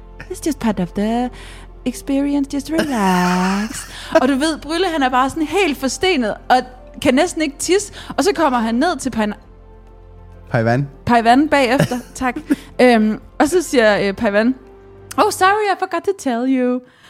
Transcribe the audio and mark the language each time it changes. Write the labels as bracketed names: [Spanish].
[English] It's just part of the experience, just relax. [Danish] Og du ved, Brylle, han er bare sådan helt forstenet, og kan næsten ikke tisse, og så kommer han ned til Pai Van bagefter, tak. Og så siger Pai Van, [English] oh sorry, I forgot to tell you.